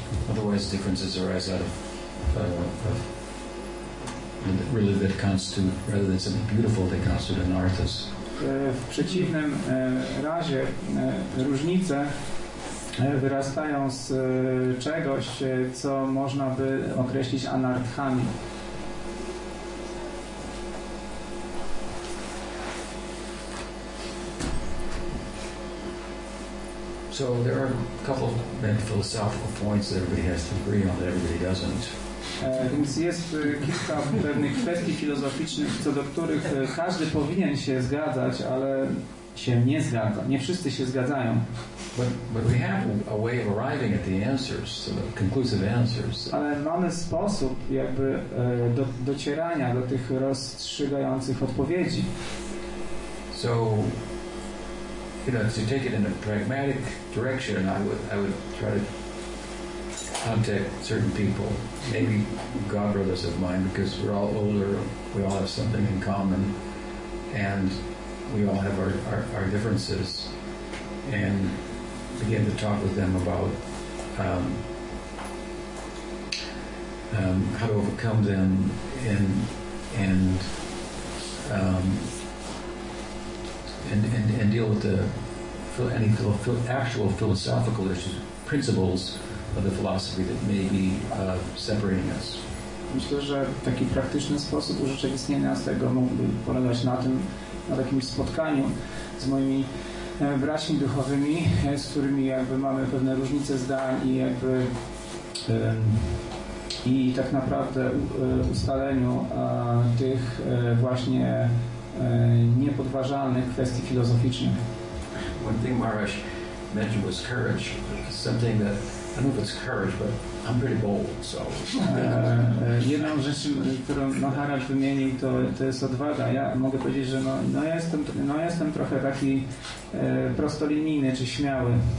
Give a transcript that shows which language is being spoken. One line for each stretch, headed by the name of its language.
English: Otherwise differences arise out of really that constitute, rather than something beautiful, they constitute anarthas.
Polish: W przeciwnym razie różnice wyrastają z czegoś, co można by określić anarthami.
English: So there are a couple of maybe philosophical points that everybody has to agree on that everybody doesn't.
Polish: Więc jest kilka pewnych kwestii filozoficznych, co do których każdy powinien się zgadzać, ale się nie zgadza. Nie wszyscy się zgadzają.
English: But we have a way of arriving at the answers, the conclusive answers.
Polish: Ale mamy sposób jakby docierania do tych rozstrzygających odpowiedzi.
English: So, you know, to take it in a pragmatic direction, I would try to contact certain people, maybe godbrothers of mine, because we're all older, we all have something in common, and we all have our differences, and begin to talk with them about how to overcome them and deal with any actual philosophical issues, principles of the philosophy that may be separating us.
Polish: Myślę, że taki praktyczny sposób urzeczywistnienia z tego mógłby polegać na tym, na takim spotkaniu z moimi braćmi duchowymi, z którymi jakby mamy pewne różnice zdań i jakby i tak naprawdę ustaleniu tych właśnie niepodważalnych kwestii filozoficznych.
English: One thing Maharaj mentioned was courage, something that I don't know if it's courage, but I'm pretty bold, so.
Polish: Jedną rzecz, którą Maharaj wymienił, to jest odwaga. Ja mogę powiedzieć, że jestem trochę taki prostolinijny czy śmiały.